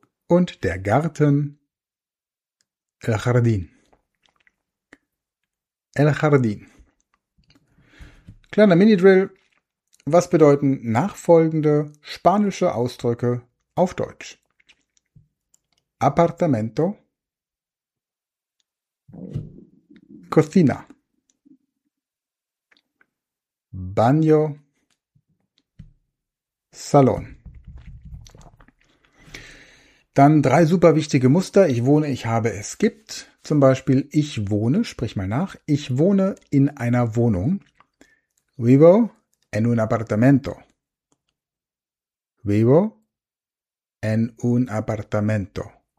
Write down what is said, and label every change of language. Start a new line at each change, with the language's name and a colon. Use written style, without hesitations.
German: Und der Garten,
Spanish: el Jardín, el Jardín.
German: Kleiner Mini-Drill, was bedeuten nachfolgende spanische Ausdrücke auf Deutsch?
Spanish: Apartamento, Cocina, Baño, Salón.
German: Dann drei super wichtige Muster. Ich wohne, ich habe, es gibt. Zum Beispiel, ich wohne, sprich mal nach. Ich wohne in einer Wohnung.
Spanish: Vivo en un apartamento. Vivo en un apartamento.